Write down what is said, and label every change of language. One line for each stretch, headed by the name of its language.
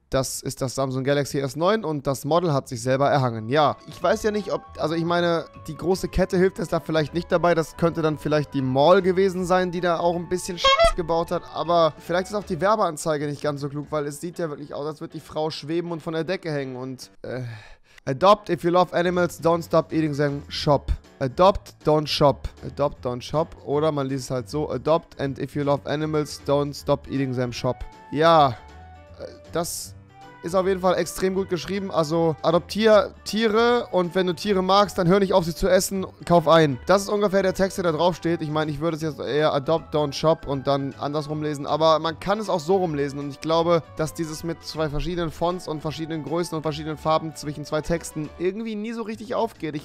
German: Das ist das Samsung Galaxy S9 und das Model hat sich selber erhangen. Ja, ich weiß ja nicht, ob... Also ich meine, die große Kette hilft es da vielleicht nicht dabei. Das könnte dann vielleicht die Mall gewesen sein, die da auch ein bisschen Scheiß gebaut hat. Aber vielleicht ist auch die Werbeanzeige nicht ganz so klug, weil es sieht ja wirklich aus, als würde die Frau schweben und von der Decke hängen und...
English: Adopt if you love animals, don't stop eating them, shop. Adopt, don't shop. Adopt, don't shop.
German: Oder man liest es halt so,
English: adopt and if you love animals, don't stop eating them, shop.
German: Ja, das... Ist auf jeden Fall extrem gut geschrieben. Also adoptier Tiere und wenn du Tiere magst, dann hör nicht auf, sie zu essen. Kauf ein. Das ist ungefähr der Text, der da drauf steht. Ich meine, ich würde es jetzt eher
English: adopt, don't shop
German: und dann andersrum lesen. Aber man kann es auch so rumlesen. Und ich glaube, dass dieses mit zwei verschiedenen Fonts und verschiedenen Größen und verschiedenen Farben zwischen zwei Texten irgendwie nie so richtig aufgeht.